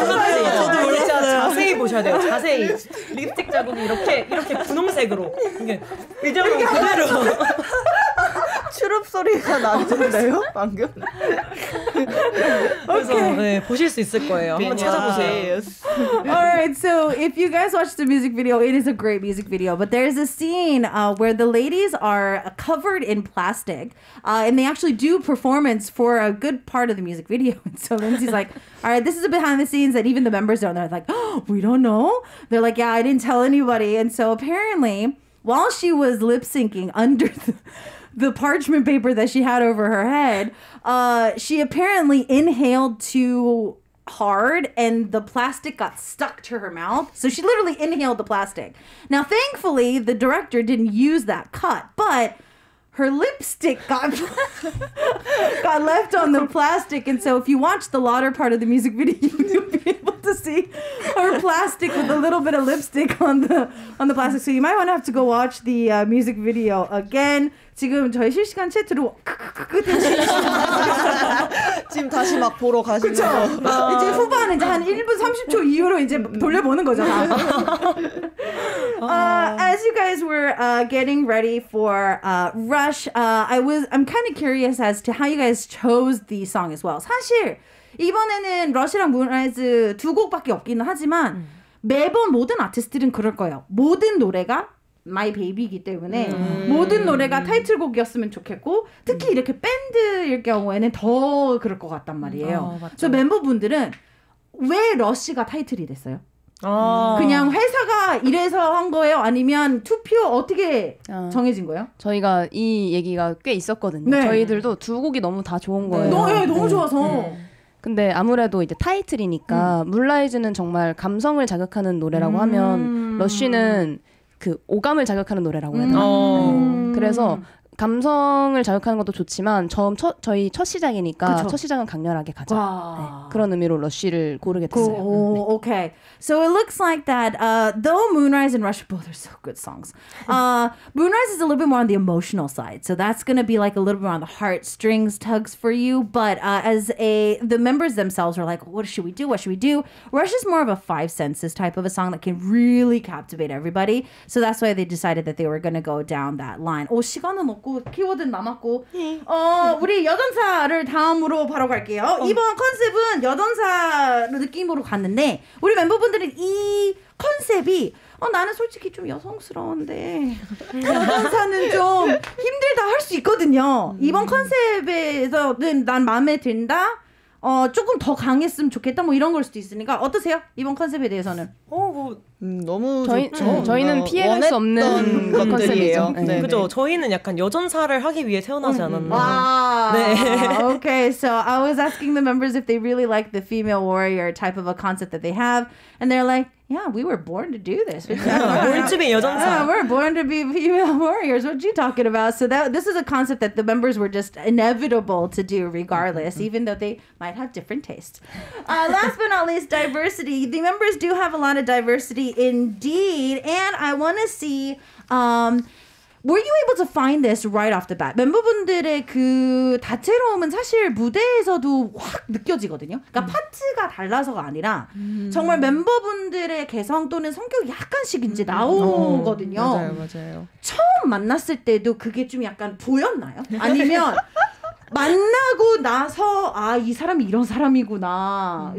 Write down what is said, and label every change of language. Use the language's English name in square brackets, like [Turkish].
[Korean] 저도 몰랐어요. 자세히 보셔야 돼요. 자세히 립스틱 자국이 이렇게 분홍색으로 이게 이 정도 그대로 추럽 소리가 나는데요? 방금 그래서 네 보실 수 있을 거예요. 한번 찾아보세요. [English] Alright, so if you guys watch the music video, it is a great music video. But there's a scene where the ladies are covered in plastic, and they actually do performance for a good part of the music video. And so Lindsay's like, all right, this is a behind the scenes that even the members don't know. They're like, oh, we don't know. They're like, yeah, I didn't tell anybody. And so apparently, while she was lip syncing under the parchment paper that she had over her head, she apparently inhaled too hard and the plastic got stuck to her mouth. So she literally inhaled the plastic. Now, thankfully, the director didn't use that cut, but her lipstick got left on the plastic, and so if you watch the latter part of the music video, you'll be able to see her plastic with a little bit of lipstick on the plastic. So you might want to have to go watch the music video again. [Korean] 지금 저희 실시간 채트로 지금 다시 막 보러 가시죠. 이제 후반 이제 한 1분 30초 이후로 이제 돌려보는 거죠. [English] As you guys were getting ready for Rush, I'm kind of curious as to how you guys chose the song as well. [Korean] 사실 이번에는 Rush랑 Moonrise 두 곡밖에 없기는 하지만 매번 모든 아티스트들은 그럴 거예요. 모든 노래가 My Baby이기 때문에 모든 노래가 타이틀곡이었으면 좋겠고 특히 이렇게 밴드일 경우에는 더 그럴 것 같단 말이에요. 저 멤버분들은 왜 러쉬가 타이틀이 됐어요? 그냥 회사가 이래서 한 거예요? 아니면 투표 어떻게 정해진 거예요? 저희가 이 얘기가 꽤 있었거든요. 네. 저희들도 두 곡이 너무 다 좋은 거예요. 너무 좋아서. 근데 아무래도 이제 타이틀이니까 물라이즈는 정말 감성을 자극하는 노래라고 하면 러쉬는 그 오감을 자극하는 노래라고 해야 되나? 그래서 감성을 자극하는 것도 좋지만 저희 첫 시작이니까 그쵸. 첫 시작은 강렬하게 가자. 네, 그런 의미로 러쉬를 고르게 됐어요. [English] Okay. So it looks like that though Moonrise and Rush both are so good songs. Moonrise is a little bit more on the emotional side. So that's going to be like a little bit more on the heartstrings tugs for you, but as the members themselves are like what should we do? What should we do? Rush is more of a five senses type of a song that can really captivate everybody. So that's why they decided that they were going to go down that line. [Korean] 시간은 없고 키워드는 남았고 어 우리 여전사를 다음으로 바로 갈게요. 어. 이번 컨셉은 여전사를 느낌으로 갔는데 우리 멤버분들은 이 컨셉이 어 나는 솔직히 좀 여성스러운데 여전사는 좀 힘들다 할 수 있거든요. 이번 컨셉에서는 난 마음에 든다. 어 조금 더 강했으면 좋겠다 뭐 이런 걸 수도 있으니까 어떠세요? 이번 컨셉에 대해서는 어 뭐 너무 저희는 피해갈 수 없는 컨셉이에요. 네. 그죠? 저희는 약간 여전사를 하기 위해 태어나지 않았나. 네. [English] Okay, so I was asking the members if they really like the female warrior type of a concept that they have and they're like, "Yeah, we were born to do this." Born to be 여전사. Yeah, we're born to be female warriors. What are you talking about? So that this is a concept that the members were just inevitable to do regardless, mm-hmm. even though they might have different tastes. last but not least, diversity. The members do have a lot of diversity. Indeed, and I want to see, were you able to find this right off the bat? [Korean] 멤버분들의 그 다채로움은 사실 무대에서도 확 느껴지거든요. 그러니까 파트가 달라서가 아니라 정말 멤버분들의 개성 또는 성격이 약간씩 이제 나오거든요. 어, 맞아요. 처음 만났을 때도 그게 좀 약간 보였나요? 아니면 만나고 나서 아, 이 사람이 이런 사람이구나.